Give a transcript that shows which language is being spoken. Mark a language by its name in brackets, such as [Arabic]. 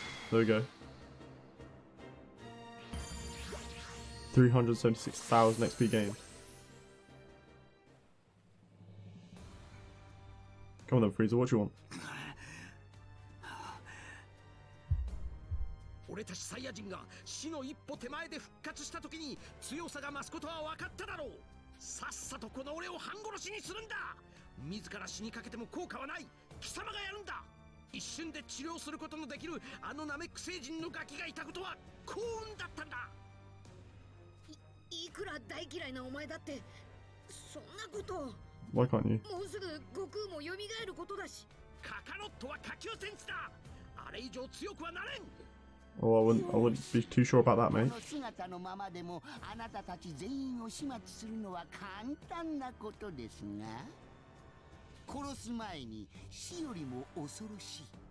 [English] There we go. 376,000 XP gained. Come on then, Frieza, what do you want? [Japanese] 俺たちサイヤ人が死の一歩手前で復活したときに強さが増すことは分かっただろう。さっさとこの俺を半殺しにするんだ。自ら死にかけても効果はない。貴様がやるんだ。一瞬で治療することのできるあのナメック星人のガキがいたことは幸運だったんだ。いくら大嫌いなお前だってそんなこと [English] Why can't you? [Japanese] もうすぐ悟空も蘇ることだし。カカロットは下級戦士だ。あれ以上強くはなれん。 [English] Oh, I wouldn't be too sure about that, mate. [Japanese] この姿のままでもあなたたち全員を始末するのは簡単なことですが、殺す前に死よりも恐ろしい。